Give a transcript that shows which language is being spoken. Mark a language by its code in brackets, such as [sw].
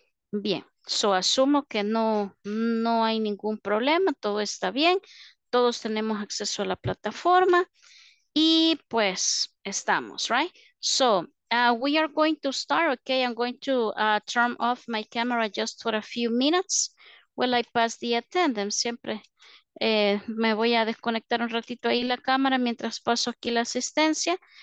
[es] Bien, so asumo que no hay ningún problema, todo está bien, todos tenemos acceso a la plataforma y pues estamos, right? [en] So, we are going to start, okay? I'm going to turn off my camera just for a few minutes while I pass the attendance. [es] Siempre me voy a desconectar un ratito ahí la cámara mientras paso aquí la asistencia.